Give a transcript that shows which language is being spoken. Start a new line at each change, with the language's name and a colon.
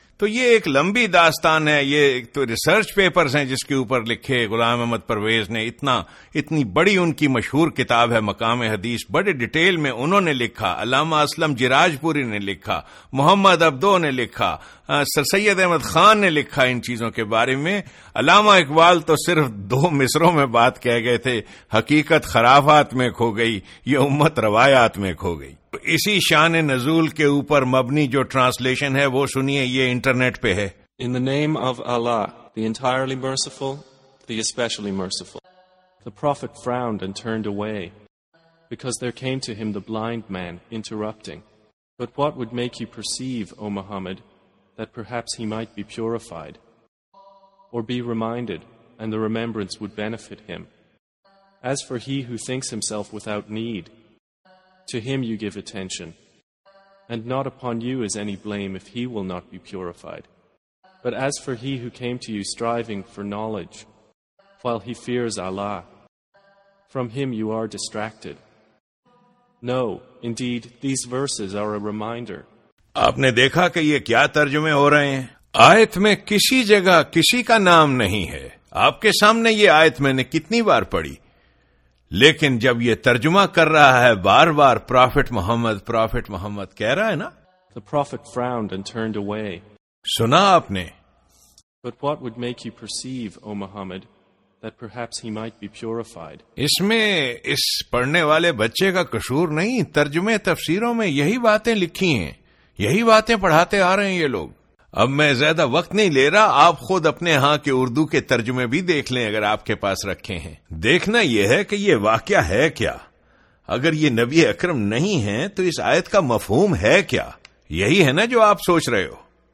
Urdu: تو یہ ایک لمبی داستان ہے, یہ تو ریسرچ پیپرز ہیں جس کے اوپر لکھے غلام احمد پرویز نے, اتنی بڑی ان کی مشہور کتاب ہے مقام حدیث, بڑے ڈیٹیل میں انہوں نے لکھا, علامہ اسلم جراج پوری نے لکھا, محمد عبدو نے لکھا, سر سید احمد خان نے لکھا ان چیزوں کے بارے میں. علامہ اقبال تو صرف دو مصروں میں بات کہہ گئے تھے, حقیقت خرافات میں کھو گئی, یہ امت روایات میں کھو گئی. اسی شان نزول کے اوپر مبنی جو ٹرانسلیشن ہے وہ سنیے, یہ انٹرنیٹ پہ ہے.
English: In the name of Allah, the entirely merciful, the especially merciful. The prophet frowned and turned away because there came to him the blind man interrupting. But what would make you perceive, O Muhammad, that perhaps he might be purified or be reminded and the remembrance would benefit him? As for he who thinks himself without need, to him you give attention, and not upon you is any blame if he will not be purified. But as for he who came to you striving for knowledge, while he fears Allah, from him you are distracted. No, indeed, these verses are a reminder.
Urdu: آپ نے دیکھا کہ یہ کیا ترجمے ہو رہے ہیں؟ آیت میں کسی جگہ کسی کا نام نہیں ہے. آپ کے سامنے یہ آیت میں نے کتنی بار پڑھی, لیکن جب یہ ترجمہ کر رہا ہے بار بار پروفیٹ محمد, پروفیٹ محمد کہہ رہا ہے نا.
English: The prophet frowned and turned away.
Urdu: سنا آپ نے.
English: But what would make you perceive, O Muhammad, that perhaps he might be purified?
Urdu: اس میں اس پڑھنے والے بچے کا قصور نہیں, ترجمے تفسیروں میں یہی باتیں لکھی ہیں, یہی باتیں پڑھاتے آ رہے ہیں یہ لوگ. اب میں زیادہ وقت نہیں لے رہا, آپ خود اپنے ہاں کے اردو کے ترجمے بھی دیکھ لیں اگر آپ کے پاس رکھے ہیں. دیکھنا یہ ہے کہ یہ واقعہ ہے کیا, اگر یہ نبی اکرم نہیں ہیں تو اس آیت کا مفہوم ہے کیا, یہی ہے نا جو آپ سوچ رہے ہو.